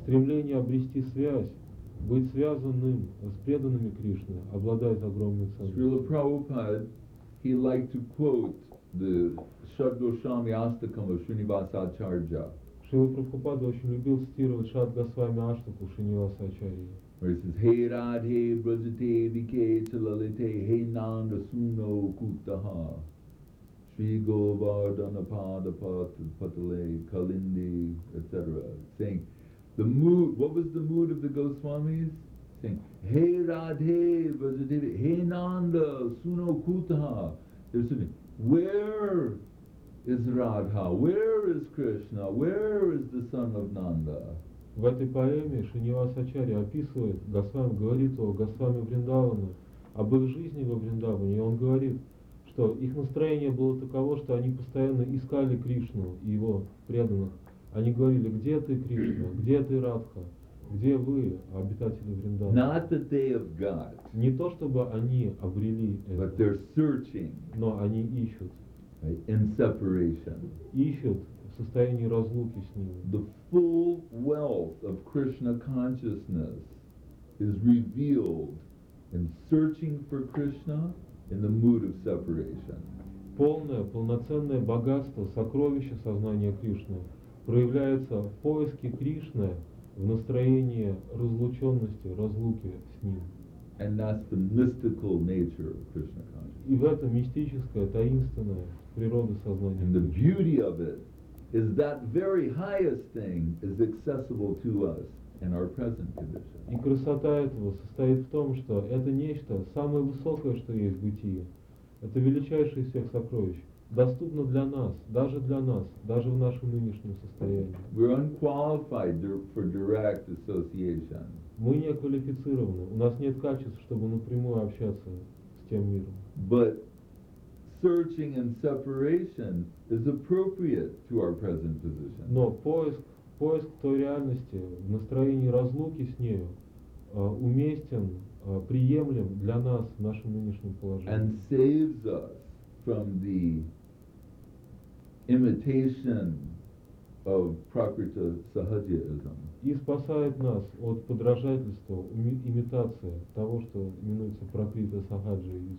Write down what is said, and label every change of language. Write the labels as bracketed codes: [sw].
[ru] Стремление обрести связь, быть связанным с преданными Кришны, обладает огромной ценностью. [en] He liked to quote the Shaddoshami Astakam of Srinivasa Acharya. [ru] Шрила Прабхупада очень любил цитировать Шаддгасвами Аштаку Шринивасу Ачарье. [en] Where he says, [sa] Hey Radhe Brajate Vike Chalalite Hey Nanda Suno Kuttaha Shri Govardhana Padapat Patale Kalindi, etc. [en] Saying, the mood, what was the mood of the Goswamis? [sa] Hey Radhe Vajadevi, Hey Nanda Suno Kutaha. [en] They're saying, where is Radha? Where is Krishna? Where is the son of Nanda? [ru] В этой поэме Шринивас Ачарья описывает Госвам, говорит о Госвами Вриндавана, об их жизни во Вриндаване, и он говорит, что их настроение было таково, что они постоянно искали Кришну и его преданных. Они говорили, где ты, Кришна, где ты, Радха? Где вы, обитатели Вриндавана? [en] Not that they have got. [ru] Не то, чтобы они обрели это. [en] But they're searching. [ru] Но они ищут. [en] In separation. [ru] Ищут в состоянии разлуки с ним. [en] The full wealth of Krishna consciousness is revealed and searching for Krishna in the mood of separation. [ru] Полное, полноценное богатство, сокровище сознания Кришны проявляется в поиске Кришны в настроении разлученности, разлуки с Ним. [en] And that's the mystical nature of Krishna consciousness. [ru] И в этом мистическое, таинственное природа сознания. [en] And the beauty of it is that very highest thing is accessible to us in our present condition. [ru] И красота этого состоит в том, что это нечто самое высокое, что есть в бытии. Это величайшее из всех сокровищ, доступно для нас, даже в нашем нынешнем состоянии. [en] We're unqualified for direct association. [ru] Мы не квалифицированы, у нас нет качеств, чтобы напрямую общаться с тем миром. [en] But searching and separation is appropriate to our present position. [ru] Но поиск той реальности в настроении разлуки с нею уместен. Приемлем для нас в нашем нынешнем положении. [en] And saves us from the imitation of Prakriti Sahajism. [ru] И спасает нас от подражательства, имитации того, что именуется Prakriti Sahajism.